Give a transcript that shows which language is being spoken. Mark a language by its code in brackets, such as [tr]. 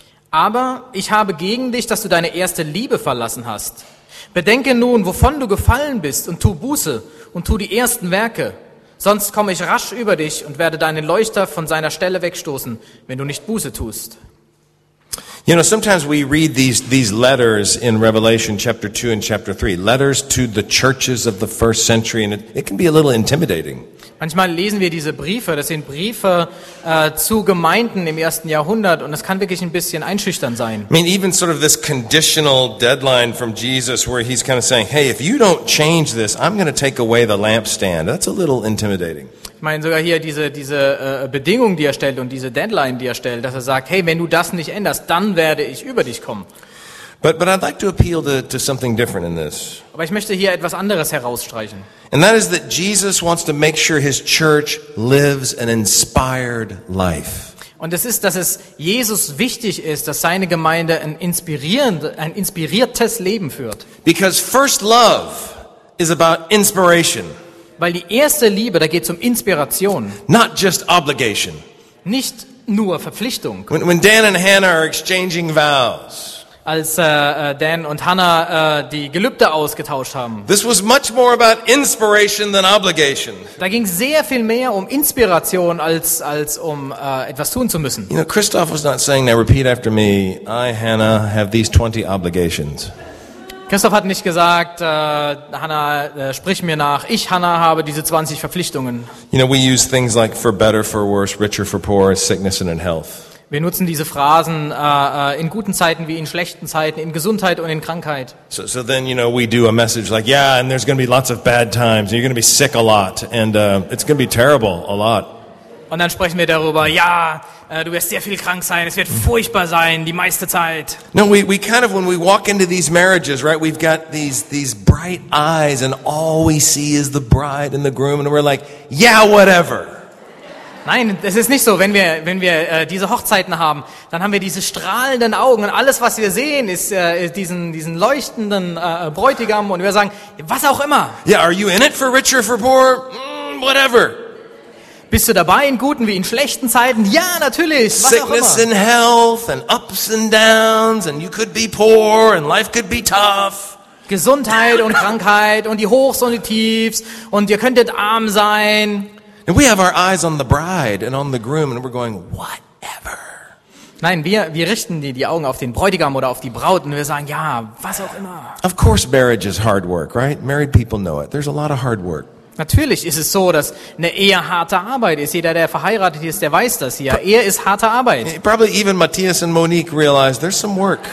[de] Aber ich habe gegen dich, dass du deine erste Liebe verlassen hast. Bedenke nun, wovon du gefallen bist und tu Buße und tu die ersten Werke. Sonst komme ich rasch über dich und werde deinen Leuchter von seiner Stelle wegstoßen, wenn du nicht Buße tust. [en] You know, sometimes we read these letters in Revelation chapter 2 and chapter 3, letters to the churches of the first century, and it can be a little intimidating. [de] Manchmal lesen wir diese Briefe, das sind Briefe zu Gemeinden im ersten Jahrhundert, und es kann wirklich ein bisschen einschüchternd sein. [en] I mean, even sort of this conditional deadline from Jesus, where he's kind of saying, hey, if you don't change this, I'm going to take away the lampstand. That's a little intimidating. [de] Ich meine sogar hier diese Bedingung, die er stellt, und diese Deadline, die er stellt, dass er sagt, hey, wenn du das nicht änderst, dann werde ich über dich kommen. [en] But I'd like to appeal to something different in this. [de] Aber ich möchte hier etwas anderes herausstreichen. [en] And that is that Jesus wants to make sure his church lives an inspired life. [de] Und es ist, dass es Jesus wichtig ist, dass seine Gemeinde ein inspiriertes Leben führt. [en] Because first love is about inspiration. [de] Weil die erste Liebe, da geht's um Inspiration. [en] Not just obligation. [de] Nicht nur Verpflichtung. [en] When Dan and Hannah are exchanging vows. [de] Als Dan und Hannah die Gelübde ausgetauscht haben. [en] This was much more about inspiration than obligation. [de] Da ging sehr viel mehr um Inspiration als um etwas tun zu müssen. [en] You know, Christoph was not saying, now repeat after me, I, Hannah, have these 20 obligations. [de] Christoph hat nicht gesagt, Hannah, sprich mir nach, ich, Hannah, habe diese 20 Verpflichtungen. [en] You know, we use things like for better, for worse, richer, for poorer, sickness and in health. [de] Wir nutzen diese Phrasen in guten Zeiten wie in schlechten Zeiten, in Gesundheit und in Krankheit. [en] So then, you know, we do a message like, yeah, and there's going to be lots of bad times, and you're going to be sick a lot, and it's going to be terrible a lot. [de] Und dann sprechen wir darüber, ja, du wirst sehr viel krank sein, es wird furchtbar sein, die meiste Zeit. [en] No, we kind of, when we walk into these marriages, right, we've got these bright eyes, and all we see is the bride and the groom, and we're like, yeah, whatever. [de] Nein, das ist nicht so. Wenn wir diese Hochzeiten haben, dann haben wir diese strahlenden Augen und alles, was wir sehen, ist diesen leuchtenden Bräutigam, und wir sagen, was auch immer. [en] Yeah, are you in it for richer, for poorer? Whatever. [de] Bist du dabei in guten wie in schlechten Zeiten? Ja, natürlich. Was [en] sickness [de] auch immer. [en] And health and ups and downs and you could be poor and life could be tough. [de] Gesundheit und Krankheit und die Hochs und die Tiefs und ihr könntet arm sein. [en] And we have our eyes on the bride and on the groom, and we're going, whatever. [de] Nein, wir richten die Augen auf den Bräutigam oder auf die Braut, und wir sagen, ja, was auch immer. Of course, marriage is hard work, right? Married people know it. There's a lot of hard work. Natürlich ist es so, dass eine Ehe harte Arbeit ist. Jeder, der verheiratet ist, der weiß das hier. Ehe ist harte Arbeit. [en] Probably even Matthias and Monique realize there's some work.